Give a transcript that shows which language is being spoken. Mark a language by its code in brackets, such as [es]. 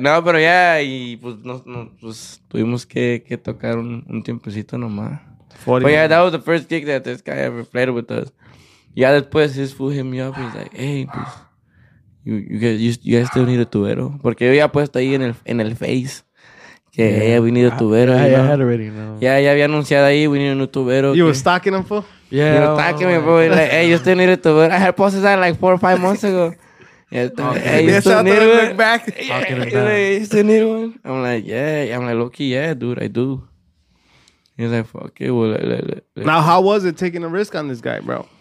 [es] No, pero ya, y pues, no, no, pues tuvimos que tocar un tiempecito nomás. [en] 40. But yeah, that was the first gig that this guy ever played with us. Yeah, después his fool hit me up. He's like, hey, pues, you guys still need a tubero. [es] Porque yo había puesto ahí en el Face. [en] Yeah, yeah, we need a tubero. I had already known. Yeah, [es] ya había anunciado ahí, [en] we need a new tubero. You were stalking him, fool? Yeah. You were stalking me, bro. Like, hey, you still need a tubero. I had posted that like 4 or 5 months ago. Yeah, you still need one? I'm like, yeah. I'm like, low-key, yeah, dude, I do. He's like, fuck it. Now, how was it taking a risk on this guy, bro?